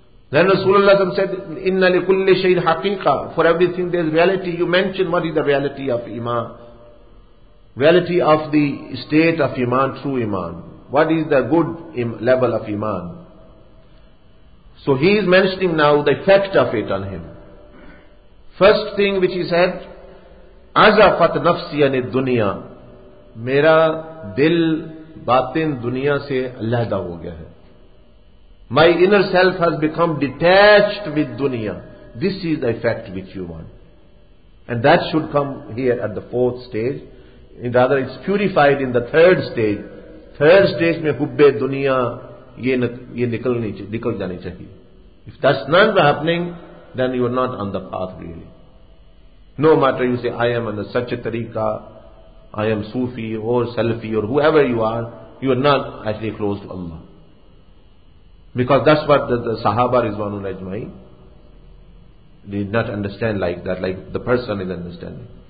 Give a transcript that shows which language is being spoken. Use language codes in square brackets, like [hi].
[en] Then Rasulullah said, [ar] إِنَّ لِكُلِّ شَيْءٍ حَقِيقًا, [en] for everything there is reality. You mention what is the reality of iman, reality of the state of iman, true iman, what is the good level of iman. So he is mentioning now the effect of it on him. First thing which he said, [ar] عَزَفَتْ نَفْسِيَنِ الدُّنِيَا, [ur] میرا دل باطن دنیا سے علیحدہ ہو گیا ہے. [en] My inner self has become detached with dunya. This is the effect which you want. And that should come here at the fourth stage. And rather it's purified in the third stage. Third stage [ur] میں حُبِّ دُنِيَا یہ نکل جانے چاہیے. [en] If that's not happening, then you are not on the path really. No matter you say, I am on the such a tariqa, I am Sufi or Salafi or whoever you are not actually close to Allah. Because that's what the Sahaba Rizwanul Ajmai did not understand like that, like the person is understanding.